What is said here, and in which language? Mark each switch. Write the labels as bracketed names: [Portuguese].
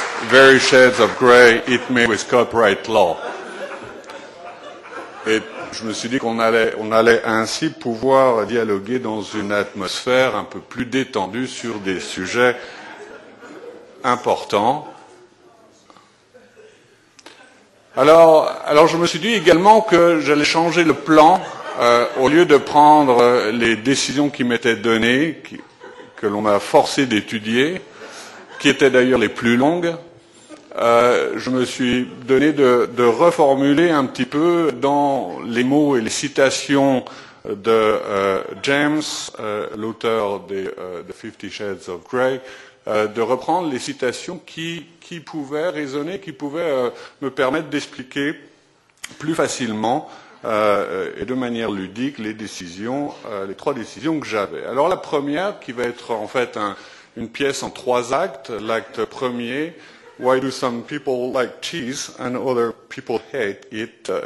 [English] Very shades of grey, hit me with copyright law. [French] Et je me suis dit qu'on allait ainsi pouvoir dialoguer dans une atmosphère un peu plus détendue sur des sujets importants. Alors je me suis dit également que j'allais changer le plan au lieu de prendre les décisions qui m'étaient données, que l'on m'a forcé d'étudier, qui étaient d'ailleurs les plus longues. Je me suis donné de reformuler un petit peu dans les mots et les citations de James, l'auteur de Fifty Shades of Grey, de reprendre les citations qui pouvaient résonner, qui pouvaient me permettre d'expliquer plus facilement et de manière ludique les décisions, les 3 décisions que j'avais. Alors la première, qui va être en fait une pièce en 3 actes, l'acte premier... [English] Why do some people like cheese and other people hate it?